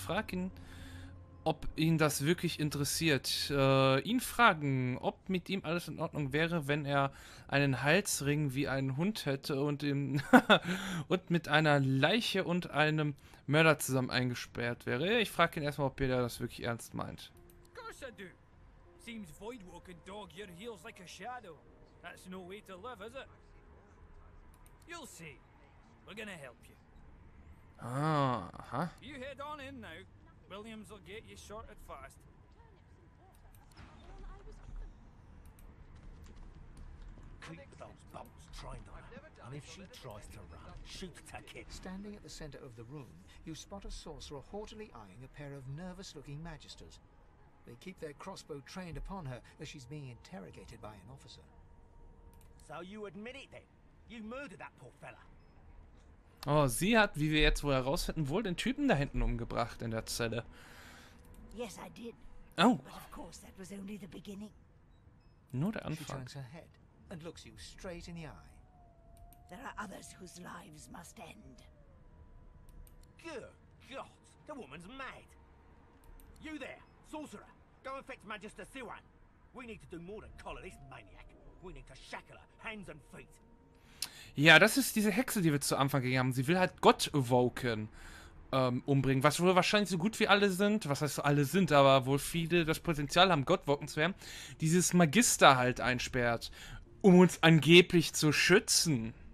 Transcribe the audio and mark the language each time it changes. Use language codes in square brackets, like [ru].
[de] Frag ihn, ob ihn das wirklich interessiert. Ihn fragen, ob mit ihm alles in Ordnung wäre, wenn er einen Halsring wie einen Hund hätte und ihm und mit einer Leiche und einem Mörder zusammen eingesperrt wäre. Ich frage ihn erstmal, ob er das wirklich ernst meint. [en] Of course I do. Seems Voidwalk could dog your heels like a shadow. That's no way to live, is it? You'll see. We're gonna help you. Ah, huh? You head on in now. Williams will get you sorted fast. Keep those bolts trained on her. And if she tries to run, shoot the kid. Standing at the center of the room, you spot a sorcerer haughtily eyeing a pair of nervous-looking magisters. They keep their crossbow trained upon her as she's being interrogated by an officer. So you admit it then? You murdered that poor fella. [de] Oh, sie hat, wie wir jetzt wohl herausfinden, wohl den Typen da hinten umgebracht in der Zelle. [en] Yes, I did. Oh. But of course, that was only the beginning. [de] Nur der Anfang. [en] She turns her head and looks you straight in the eye. There are others whose lives must end. Good God, the woman's mad. You there, sorcerer, go and fetch Magister Siwan. We need to do more than collar this maniac. We need to shackle her hands and feet. [de] Ja, das ist diese Hexe, die wir zu Anfang gegangen haben. Sie will halt Gott woken. umbringen, was wohl wahrscheinlich so gut wie alle sind, was heißt alle sind, aber wohl viele das Potenzial haben, Godwoken zu werden, dieses Magister halt einsperrt, um uns angeblich zu schützen.